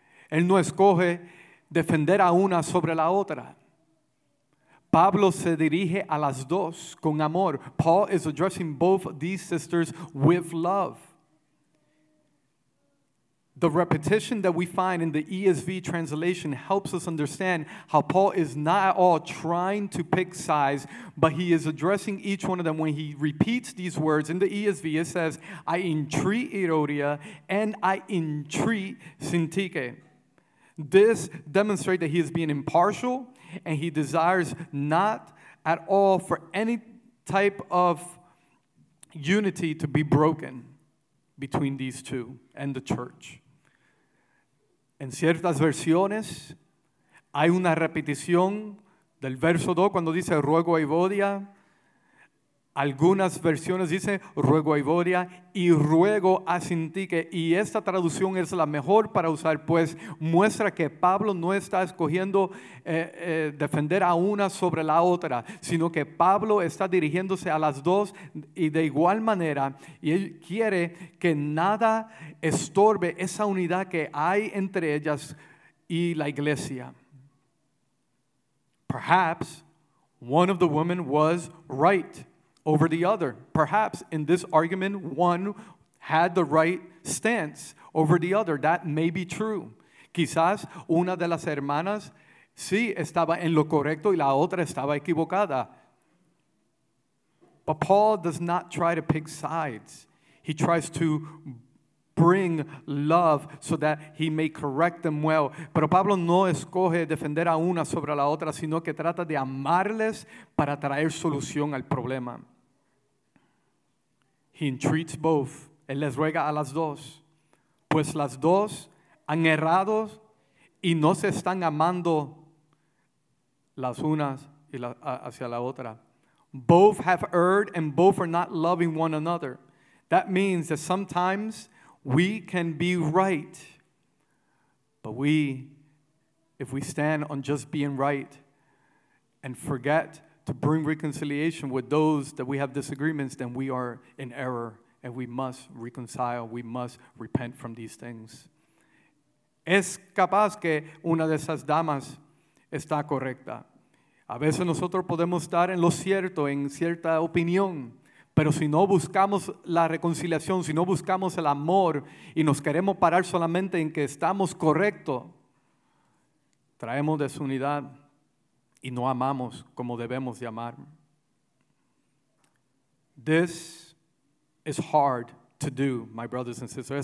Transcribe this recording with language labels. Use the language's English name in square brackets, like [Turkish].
[Spanish] Él no escoge defender a una sobre la otra. Pablo se dirige a las dos con amor. [English] Paul is addressing both these sisters with love. The repetition that we find in the ESV translation helps us understand how Paul is not at all trying to pick sides, but he is addressing each one of them. When he repeats these words in the ESV, it says, I entreat Euodia and I entreat Syntyche. This demonstrates that he is being impartial and he desires not at all for any type of unity to be broken between these two and the church. [Spanish] En ciertas versiones, hay una repetición del verso 2 cuando dice ruego a Euodia. Algunas versiones dicen ruego a Euodia y ruego a Syntyche. Y esta traducción es la mejor para usar, pues muestra que Pablo no está escogiendo defender a una sobre la otra, sino que Pablo está dirigiéndose a las dos y de igual manera. Y él quiere que nada estorbe esa unidad que hay entre ellas y la iglesia. [English] Perhaps one of the women was right over the other. Perhaps in this argument, one had the right stance over the other. That may be true. [Spanish] Quizás una de las hermanas sí estaba en lo correcto y la otra estaba equivocada. [English] But Paul does not try to pick sides. He tries to bring love so that he may correct them well. [Spanish] Pero Pablo no escoge defender a una sobre la otra, sino que trata de amarles para traer solución al problema. [English] He entreats both. [Spanish] Él les ruega a las dos. Pues las dos han errado y no se están amando las unas y hacia la otra. [English] Both have erred and both are not loving one another. That means that sometimes we can be right. But we, if we stand on just being right and forget to bring reconciliation with those that we have disagreements, then we are in error and we must reconcile, we must repent from these things. [Spanish] Es capaz que una de esas damas está correcta. A veces nosotros podemos estar en lo cierto, en cierta opinión, pero si no buscamos la reconciliación, si no buscamos el amor y nos queremos parar solamente en que estamos correcto, traemos desunidad. Y no amamos como debemos de amar. [English] This is hard to do, my brothers and sisters.